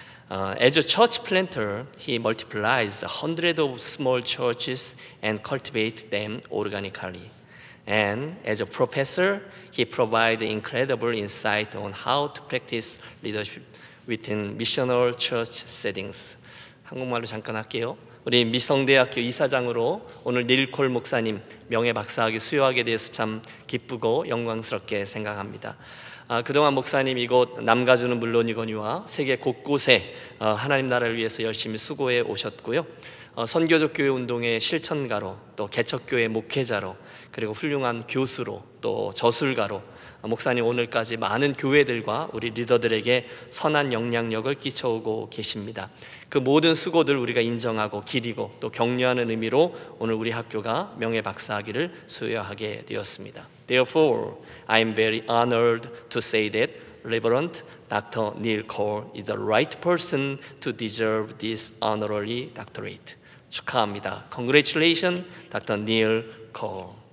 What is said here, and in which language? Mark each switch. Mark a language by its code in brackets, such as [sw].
[en] As a church planter, he multiplies hundreds of small churches and cultivates them organically. And as a professor, he provides incredible insight on how to practice leadership within missional church settings. [ko] 한국말로 잠깐 할게요. 우리 미성대학교 이사장으로 오늘 닐콜 목사님 명예박사학위 수여하게 돼서 참 기쁘고 영광스럽게 생각합니다. 그동안 목사님 이곳 남가주는 물론이거니와 세계 곳곳에 하나님 나라를 위해서 열심히 수고해 오셨고요. 선교적 교회 운동의 실천가로 또 개척교회 목회자로 그리고 훌륭한 교수로 또 저술가로 목사님 오늘까지 많은 교회들과 우리 리더들에게 선한 영향력을 끼쳐오고 계십니다. 그 모든 수고들 우리가 인정하고 기리고 또 격려하는 의미로 오늘 우리 학교가 명예박사학위를 수여하게 되었습니다. [en] Therefore, I am very honored to say that Reverend Dr. Neil Cole is the right person to deserve this honorary doctorate. [ko] 축하합니다. [en] Congratulations, Dr. Neil Cole.